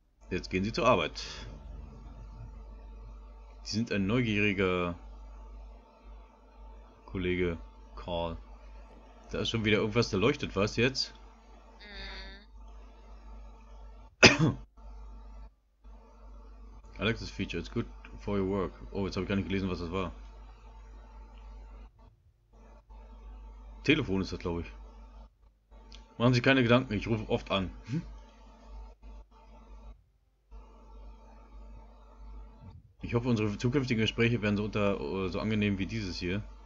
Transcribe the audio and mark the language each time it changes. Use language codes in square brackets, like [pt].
[de] Jetzt gehen Sie zur Arbeit. Sie sind ein neugieriger Kollege Carl. Da ist schon wieder irgendwas, da leuchtet was jetzt. [en] I like this feature, it's good for your work. [de] Oh, jetzt habe ich gar nicht gelesen, was das war. Telefon ist das, glaube ich. Machen Sie keine Gedanken, ich rufe oft an. Ich hoffe, unsere zukünftigen Gespräche werden so angenehm wie dieses hier.